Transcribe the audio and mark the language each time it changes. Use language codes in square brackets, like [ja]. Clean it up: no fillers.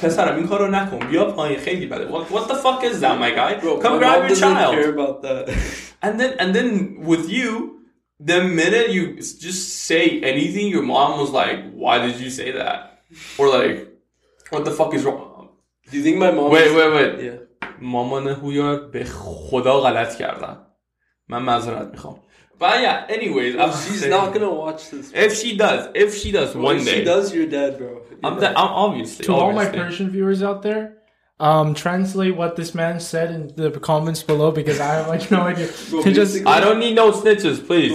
[en] Pesaram, in karo nakon. Be up on your head, buddy. What the fuck is that, my guy? Bro, come my grab mom your child. Doesn't care about that. And then with you, the minute you just say anything, your mom was like, why did you say that? Or like, what the fuck is wrong? Do you think my mom. Wait, wait, wait. Yeah. [fa] مامان هویا به خدا غلط کردم. من معذرت میخوام. But yeah, anyways, [en] I'm she's not gonna watch this. If she does, you're dead, bro. I'm obviously. All my Persian viewers out there, translate what this man said in the comments below because I have like no idea. Bro, just, I don't need no snitches, please.